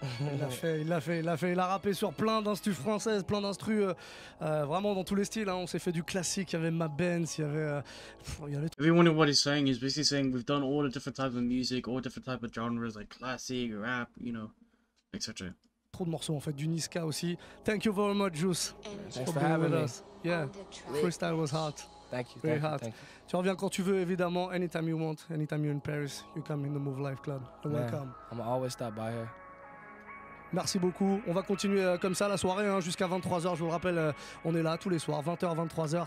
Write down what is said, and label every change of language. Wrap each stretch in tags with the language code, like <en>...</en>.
<fr>Il a fait, il a rappé sur plein d'instrus françaises, plein d'instrus vraiment dans tous les styles. Hein. On s'est fait du classique, il y avait Mad Benz, il y avait.</fr> <en>Everyone, what he's saying is basically saying we've done all the different types of music, all different types of genres like classic, rap, you know, etc.</en> <fr>Trop de morceaux en fait, du Niska aussi.</fr> <en>Thank you very much, Juice. Thanks for having with me. Us. Yeah, freestyle was hot. Thank you. Very hot. Thank you.</en> <fr>Tu reviens quand tu veux, évidemment.</fr> <en>Anytime you want, anytime you're in Paris, you come in the Mouv Life Club. You're welcome. I'm always stop by here.</en> <fr>Merci beaucoup. On va continuer comme ça la soirée hein, jusqu'à 23h. Je vous le rappelle, on est là tous les soirs, 20h, 23h.</fr>